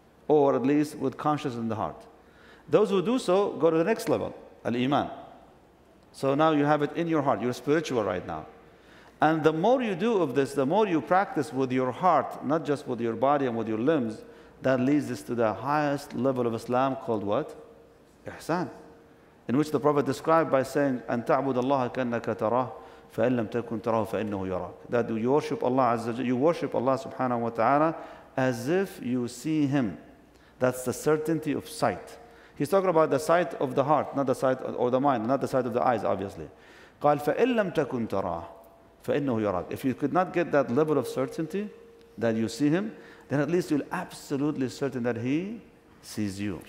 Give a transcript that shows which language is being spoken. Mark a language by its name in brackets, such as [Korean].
[English] Or at least with consciousness in the heart? Those who do so go to the next level, al-Iman. So now you have it in your heart. You're spiritual right now. And the more you do of this, the more you practice with your heart, not just with your body and with your limbs, that leads us to the highest level of Islam called what? Ihsan. [Arabic] In which the Prophet described by saying, أَن تَعْبُدَ اللَّهَ كَأَنَّكَ تَرَاهُ فَإِنْ لَمْ تَكُنْ تَرَاهُ فَإِنَّهُ يَرَاكَ. [English] That you worship Allah Azza wa Jalla, you worship Allah subhanahu wa ta'ala as if you see Him. That's the certainty of sight. He's talking about the sight of the heart, not the sight of the mind, not the sight of the eyes, obviously. [Arabic] قَالْ فَإِنْ لَمْ تَكُنْ تَرَاهُ فَإِنَّهُ يَرَاكَ. [English] If you could not get that level of certainty that you see Him, then at least you'll absolutely certain that He sees you.